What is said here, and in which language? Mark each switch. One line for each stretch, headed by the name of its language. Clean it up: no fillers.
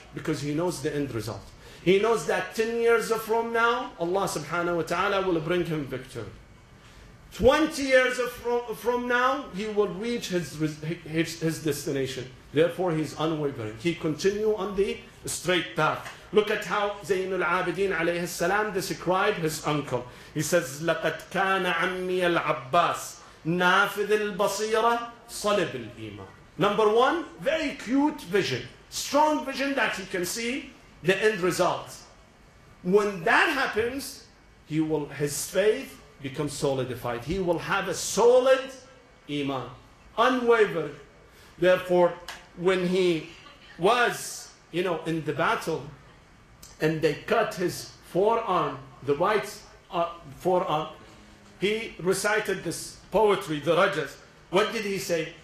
English: Because he knows the end result. He knows that 10 years from now, Allah subhanahu wa ta'ala will bring him victory. 20 years from now, he will reach his destination. Therefore, he's unwavering. He continues on the straight path. Look at how Zayn al-Abidin alayhi salam described his uncle. He says,
Arabic: لَقَدْ كَانَ عَمِّيَ الْعَبَّاسِ نَافِذِ الْبَصِيرَةِ صَلِبِ الْإِيمَانِ.
English: Number one, very acute vision. Strong vision that he can see the end result. When that happens, his faith becomes solidified. He will have a solid iman, unwavering. Therefore, when he was, you know, in the battle, and they cut his forearm, the right forearm, he recited this poetry, the Rajas. What did he say?